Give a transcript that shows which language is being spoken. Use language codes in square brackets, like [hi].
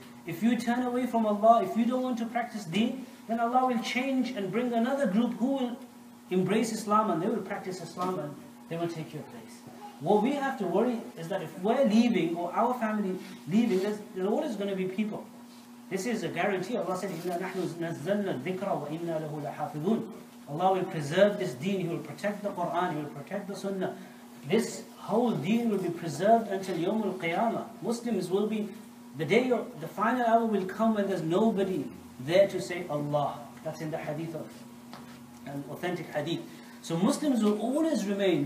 [en] If you turn away from Allah, if you don't want to practice deen, then Allah will change and bring another group who will embrace Islam, and they will practice Islam, and they will take your place. What we have to worry is that if we're leaving, or our family leaving, there's always going to be people. This is a guarantee. Allah said, [ar] إِنَّا نَحْنُ نَزَّلْنَا الذِّكْرَ وَإِنَّا لَهُ لَحَافِظُونَ. [en] Allah will preserve this deen. He will protect the Quran. He will protect the Sunnah. This whole deen will be preserved until Yawmul Qiyamah. Muslims will be, the final hour will come when there's nobody there to say Allah. That's in the hadith of an authentic hadith. So Muslims will always remain.